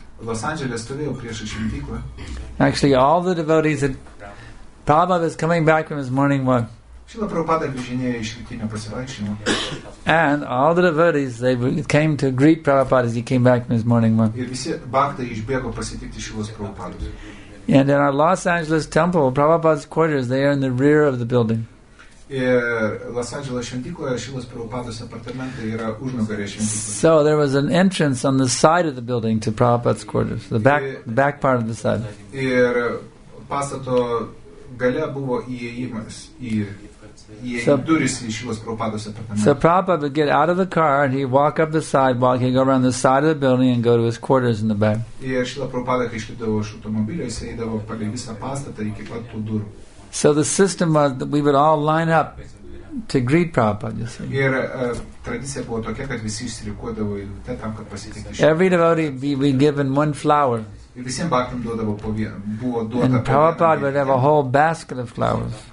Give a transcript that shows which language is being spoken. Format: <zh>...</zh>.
<lt>Los Angeles stovėjau prieš šventyklą.</lt> <en>Actually, all the devotees had... Prabhupada was coming back from his morning walk.</en> <lt>Šila Prabhupada grįžinėjo iš rytinio pasivaikščiojimo.</lt> <en>And all the devotees, they came to greet Prabhupada as he came back from his morning walk.</en> <lt>Ir visi bhaktai išbėgo pasitikti Šilos Prabhupados.</lt> <en>And in our Los Angeles temple, Prabhupada's quarters, they are in the rear of the building.</en> <lt>Los Angeles šventykloje Šilas Prabhupados apartamentai yra užnugarė šventykloje.</lt> <en>So there was an entrance on the side of the building to Prabhupada's quarters, the back, the back part of the side.</en> <lt>Ir pastato gale buvo įėjimas į duris į Šilas Prabhupados apartamentą.</lt> <en>So Prabhupada would get out of the car and he'd walk up the sidewalk, he'd go around the side of the building and go to his quarters in the back.</en> <lt>Ir Šilas Prabhupada, kai išlipdavo iš automobilio, jis eidavo palei visą pastatą iki pat tų durų.</lt> <en>So the system was that we would all line up to greet Prabhupada, you see.</en> <lt>Ir tradicija buvo tokia, kad visi išsirikuodavo į tą tam, kad pasitikti.</lt> <en>Every devotee be given one flower.</en> <lt>Ir visiem bhaktam duodavo po vieną.</lt> <en>And Prabhupada would have a whole basket of flowers.</en>